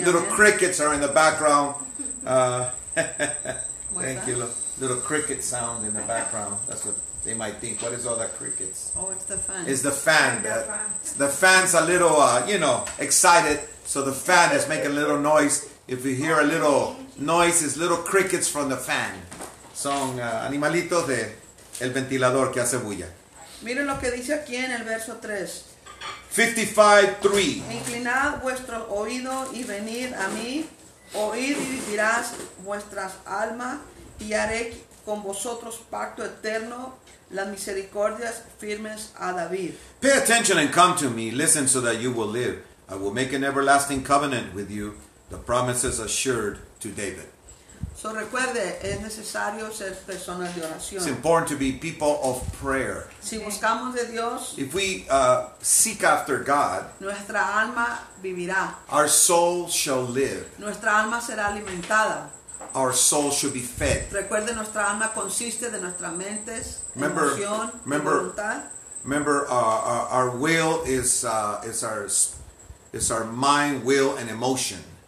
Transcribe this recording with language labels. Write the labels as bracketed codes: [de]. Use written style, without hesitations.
[en] the little crickets are in the background. thank you. Little cricket sound in the background. That's what they might think. What is all that crickets? Oh, it's the fan. It's the fan. The fan's a little, excited. So the fan is making a little noise. If you hear a little noise, it's little crickets from the fan. [es] Son animalitos de el ventilador que hace bulla. Miren lo que dice aquí en el verso 3. 55:3. Inclinad vuestro oído y venid a mí. Oíd y vivirás vuestras almas. Y haré con vosotros pacto eterno. Las misericordias firmes a David. [en] Pay attention and come to me. Listen so that you will live. I will make an everlasting covenant with you. The promises assured to David. [es] So recuerde, es necesario ser personas de oración. [en] It's important to be people of prayer. [es] Si buscamos de Dios, [en] if we seek after God, [es] nuestra alma vivirá. [en] Our soul shall live. [es] Nuestra alma será alimentada. [en] Our soul should be fed. [es] Recuerde, nuestra alma consiste de nuestras mentes, emoción, voluntad. [en] Remember, our will is our mind, will, and emotion.